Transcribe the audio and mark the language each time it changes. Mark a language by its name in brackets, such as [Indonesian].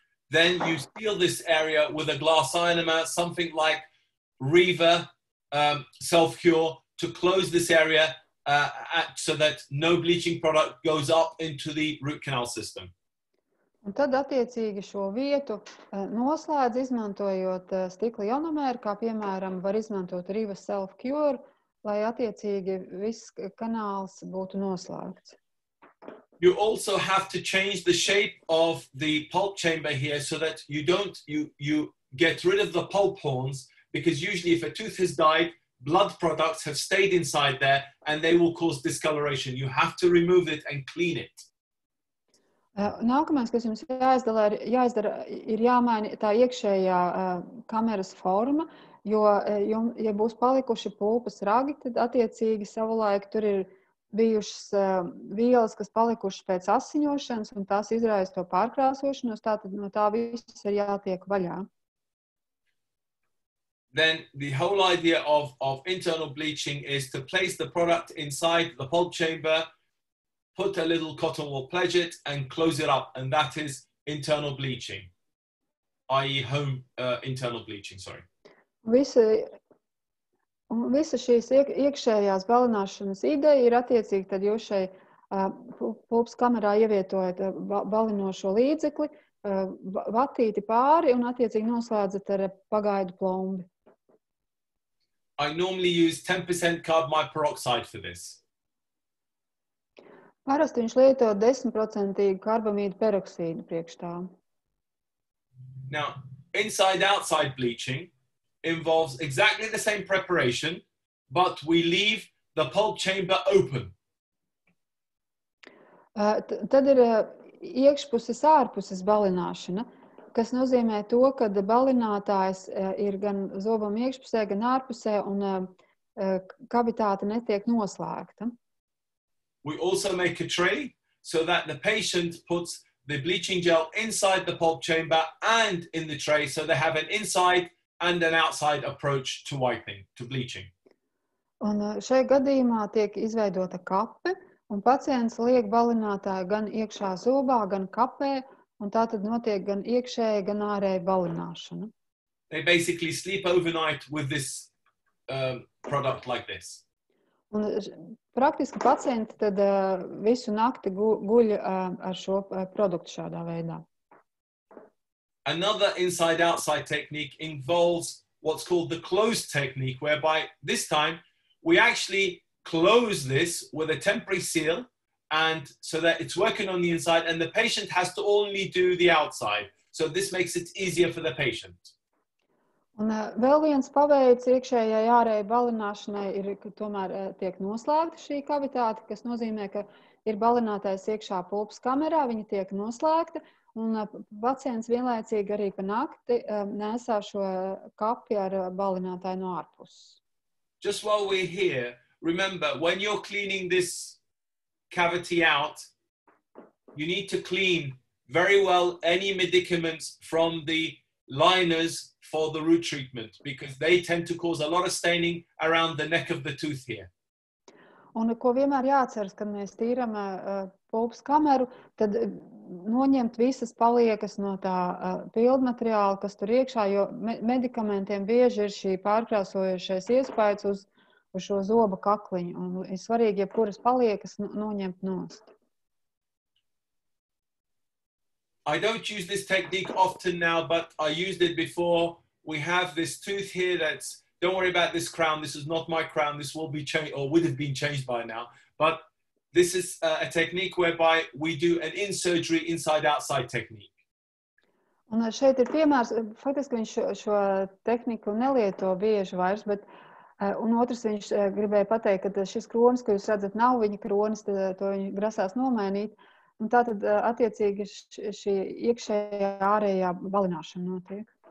[English] Then you seal this area with a glass ionomer, something like Reva self-cure, to close this area so that no bleaching product goes up into the root canal system. [Latvian] Un tad attiecīgi šo vietu noslēdz, izmantojot stikla ionomēru, kā piemēram var izmantot Reva self-cure, lai attiecīgi viss kanāls būtu noslēgts. [English] You also have to change the shape of the pulp chamber here so that you get rid of the pulp horns, because usually if a tooth has died, blood products have stayed inside there and they will cause discoloration. You have to remove it and clean it. [Latvian] Nākamais, kas jums jāizdara, ir jāmaina tā iekšējā kameras forma, jo ja būs palikuši pulpas ragi, tad attiecīgi savulaik tur ir bijušas vielas, kas palikušas pēc asiņošanas, un tās izraisa to pārkrāsošanos, tātad no tā visas ir jātiek vaļā. [English] Then the whole idea of internal bleaching is to place the product inside the pulp chamber, put a little cotton wool pledge it and close it up, and that is internal bleaching, i.e. home internal bleaching, sorry. [Latvian] Un visa šīs iekšējās balināšanas ideja ir attiecīgi, tad jūs šai pulpas kamerā ievietojat balinošo līdzekli, vatīti pāri un attiecīgi noslēdzat ar pagaidu plombi. [English] I normally use 10% carbamide peroxide for this. [Latvian] Parasti viņš lieto 10% karbamīdu peroksīdu priekštā. [English] Now, inside-outside bleaching involves exactly the same preparation, but we leave the pulp chamber open. [Latvian] Tad ir iekšpuses ārpuses balināšana, kas nozīmē to, ka balinātājs ir gan zobam iekšpusē, gan ārpusē, un kavitāte netiek noslēgta. [English] We also make a tray so that the patient puts the bleaching gel inside the pulp chamber and in the tray, so they have an inside and an outside approach to whitening, to bleaching. [Latvian] Un šai gadījumā tiek izveidota kape, un pacients liek balinātāju gan iekšā zobā, gan kapē, un tātad notiek gan iekšēja, gan ārēja balināšana. [English] They basically sleep overnight with this product like this. [Latvian] Un praktiski pacienti tad visu nakti guļ ar šo produktu šādā veidā. [English] Another inside-outside technique involves what's called the closed technique, whereby this time we actually close this with a temporary seal, and so that it's working on the inside and the patient has to only do the outside. So this makes it easier for the patient. [Latvian] Un vēl viens paveids iekšējai ārējai balināšanai ir, ka tomēr tiek noslēgta šī kavitāte, kas nozīmē, ka ir balinātājs iekšā pulpas kamerā, viņa tiek noslēgta. Un pacients vienlaicīgi arī pa nakti nesā šo kapi ar balinātāju no ārpuses. [English] Just while we're here, remember, when you're cleaning this cavity out, you need to clean very well any medicaments from the liners for the root treatment, because they tend to cause a lot of staining around the neck of the tooth here. [Latvian] Un ko vienmēr jāatceras, kad mēs tīram pulpas kameru, tad noņemt visas paliekas no tā pildmateriāla, kas tur iekšā, jo medikamentiem bieži ir šī pārkrāsojušais iespaids uz, uz šo zoba kakliņu. Un ir svarīgi, jebkuras paliekas noņemt nost. [English] I don't use this technique often now, but I used it before. We have this tooth here that's, don't worry about this crown, this is not my crown, this will be changed, or would have been changed by now. But this is a technique whereby we do an in-surgery, inside-outside technique. [Latvian] Un šeit ir piemērs, faktiski viņš šo tehniku nelieto bieži vairs, bet un otrs viņš gribēja pateikt, ka šis kronis, ko jūs redzat, nav viņa kronis, tad to viņš grasās nomainīt. Un tātad attiecīgi šī iekšējā ārējā balināšana notiek.